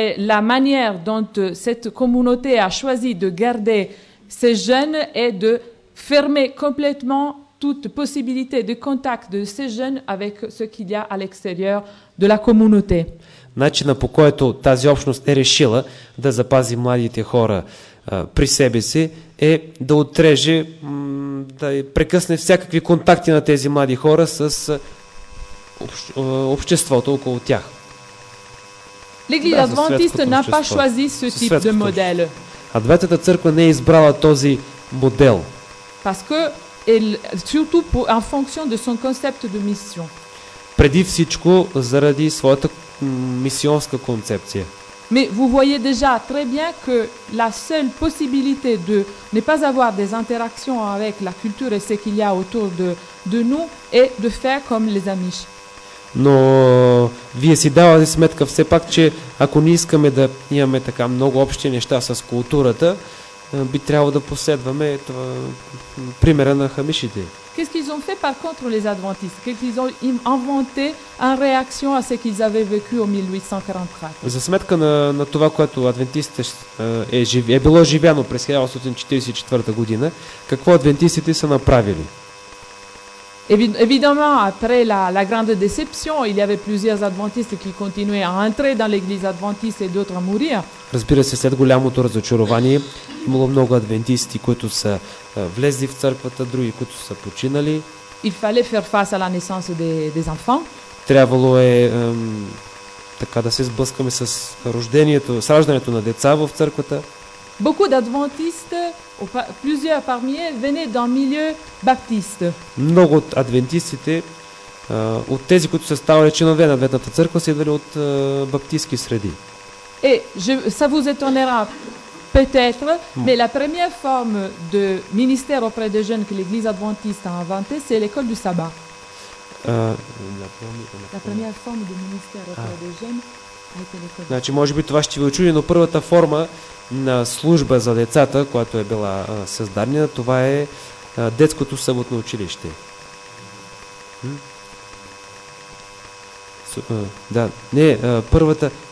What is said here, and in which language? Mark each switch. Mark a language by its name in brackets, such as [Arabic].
[French] La manière dont cette communauté a choisi de garder ces jeunes est de fermer complètement toute possibilité de contact de ces jeunes avec ce qu'il y a à l'extérieur de la communauté. [Bulgarian] Начина по който тази общност е решила да запази младите хора при себе си е да отреже, да прекъсне всякакви контакти на тези млади хора с обществото около тях. [French] L'Église adventiste n'a pas choisi ce type de modèle. [Bulgarian] Адвентната църква не е избрала този модел. [French] Parce que elle surtout pour en fonction de son concept de mission. [Bulgarian] Преди всичко заради своята мисионска концепция. [French] Mais vous voyez déjà très bien que la seule possibilité de ne pas avoir des interactions avec la culture et ce qu'il y a autour de nous est de faire comme les Amish. [Bulgarian] Но вие си давате сметка все пак, че ако не искаме да имаме така много общи неща с културата, би трябвало да последваме това, примера на хамишите. [French] Qu'est-ce qu'ils ont fait par contre les adventistes? Qu'est-ce qu'ils ont inventé en réaction à ce qu'ils avaient vécu en 1844? [Bulgarian] За сметка на това, което адвентистите е било живяно през 1844 година, какво адвентистите са направили? [French] Évidemment, après la grande déception, il y avait plusieurs adventistes qui continuaient à entrer dans l'église adventiste et d'autres à mourir. [Bulgarian] Разбира се, след голямото разочарование, имало много адвентисти, които са влезли в църквата, други, които са починали. [French] Il fallait faire face à la naissance des enfants. [Bulgarian] Трябвало е така да се сблъскаме с рождението, с раждането на деца в църквата. [French] Beaucoup d'adventistes, plusieurs parmi eux, venaient d'un milieu baptiste. [Bulgarian] Много от адвентистите, от тези, които са ставали членове на Адвентната църква, са идвали от баптистки среди. [French] Et ça vous étonnera peut-être, mais la première forme de ministère auprès des jeunes que l'Église adventiste a inventé, c'est l'école du sabbat. La première forme de ministère auprès des jeunes. [Bulgarian] Значи, може би това ще ви очуди, но първата форма на служба за децата, която е била създадена, това е детското съботно училище. Да, не, първата...